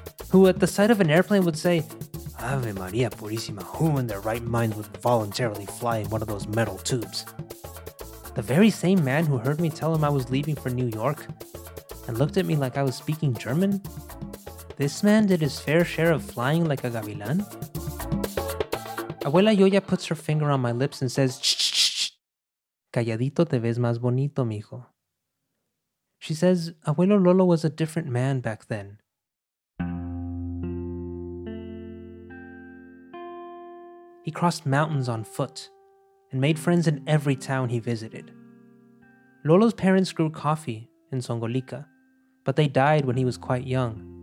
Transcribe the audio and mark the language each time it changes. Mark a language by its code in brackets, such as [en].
[en] Who at the sight of an airplane would say, [es] "Ave Maria Purisima, [en] who in their right mind would voluntarily fly in one of those metal tubes?" The very same man who heard me tell him I was leaving for New York and looked at me like I was speaking German? This man did his fair share of flying like a gavilán? Abuela Yoya puts her finger on my lips and says, "Ch-ch-ch-ch. [es] Calladito te ves más bonito, mijo." [en] She says Abuelo Lolo was a different man back then. He crossed mountains on foot and made friends in every town he visited. Lolo's parents grew coffee in Songolica, but they died when he was quite young.